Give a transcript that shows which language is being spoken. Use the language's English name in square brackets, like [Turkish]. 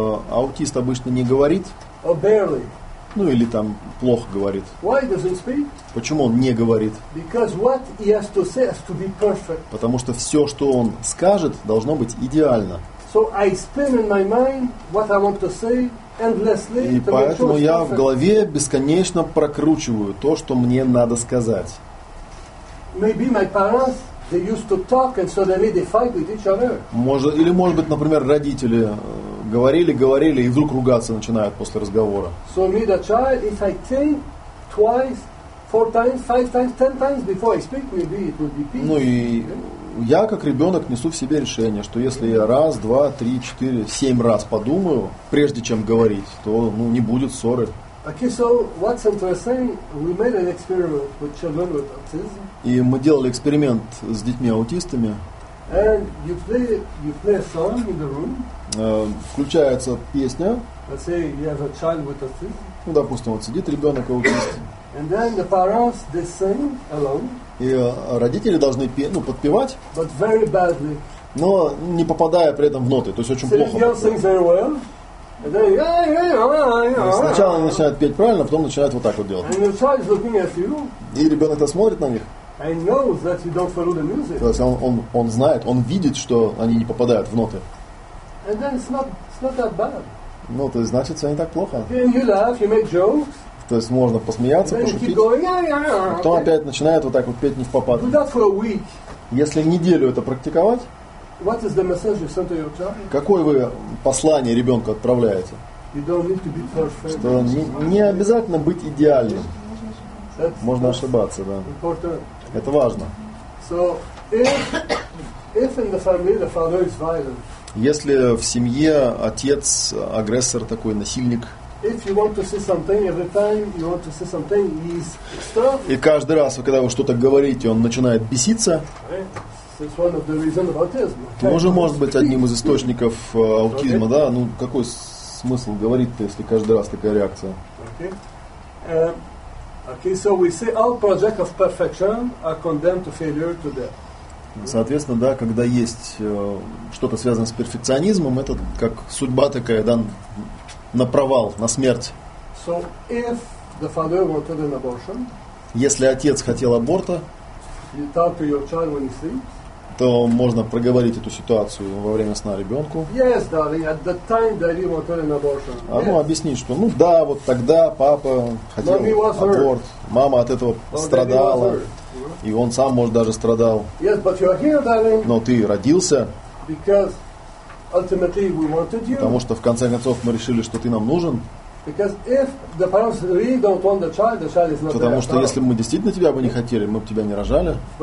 [Russian] Аутист обычно не говорит. Ну или там плохо говорит. [English] Why does he speak? [Russian] Почему он не говорит? [English] Because what he has to say has to be perfect. [Russian] Потому что все, что он скажет, должно быть идеально. [English] So I spin in my mind what I want to say endlessly. [Russian] И поэтому я в голове бесконечно прокручиваю то, что мне надо сказать. [English] Maybe my parents, they used to talk, and suddenly they fight with each other. [Russian] Может, или может быть, например, родители говорили, говорили, и вдруг ругаться начинают после разговора. [English] So me, the child, if I think twice, four times, five times, ten times before I speak, maybe it would be peace. [Russian] Ну и я как ребенок несу в себе решение, что если я раз, два, три, четыре, семь раз подумаю, прежде чем говорить, то ну не будет ссоры. [English] Okay, so what's interesting? We made an experiment with children with autism. [Russian] И мы делали эксперимент с детьми аутистами. [English] And you play a song in the room. [Russian] Включается песня. [English] Let's say you have a child with autism. [Russian] Ну, допустим, вот сидит ребенок аутист. [English] And then the parents, they sing along. [Russian] И родители должны петь, ну, подпевать. [English] But very badly. [Russian] Но не попадая при этом в ноты, то есть очень плохо. [English] Celine Dion sings very well. [Russian] Сначала они начинают петь правильно, потом начинают вот так вот делать. [English] And your child is looking at you. [Russian] И ребенок-то смотрит на них. [English] And knows that you don't follow the music. [Russian] То есть он знает, он видит, что они не попадают в ноты. [English] And then it's not that bad. [Russian] Ну, то есть значит, все не так плохо. [English] And you laugh, you make jokes. [Russian] То есть можно посмеяться, пошутить. [English] Going, [Russian] потом опять начинает вот так вот петь не в попад. [English] Do that for a week. [Russian] Если неделю это практиковать. [English] What is the message you send to your child? [Russian] Какое вы послание ребенку отправляете? [English] You don't need to be perfect. [Russian] Что не обязательно быть идеальным. Можно ошибаться, да. [English] Important. [Russian] Это важно. [English] So if in the family the father is violent. [Russian] Если в семье отец агрессор такой, насильник. [English] If you want to say something every time, you want to say something, he is extra. [Russian] И каждый раз, когда вы что-то говорите, он начинает беситься. [English] It's one of the reasons of autism. [Russian] Тоже может быть одним из источников аутизма, okay. Да? Ну, какой смысл говорить-то, если каждый раз такая реакция? [English] Okay. So we say all projects of perfection are condemned to failure to death. [Russian] Соответственно, да, когда есть что-то связанное с перфекционизмом, это как судьба такая, да, на провал, на смерть. [English] So if the father wanted an abortion, [Russian] если отец хотел аборта, [English] you talk to your child when he sleeps, [Russian] то можно проговорить эту ситуацию во время сна ребенку. [English] Yes, darling, at the time, daddy wanted an abortion. Yes. [Russian] А ну, объяснить, что ну да, вот тогда папа хотел аборт, мама от этого страдала, и он сам, может, даже страдал. [English] Yes, but you are here, darling, [Russian] но ты родился, [English] because ultimately we wanted you. [Russian] Потому что в конце концов мы решили, что ты нам нужен. Потому что если мы действительно тебя бы не хотели, мы бы тебя не рожали.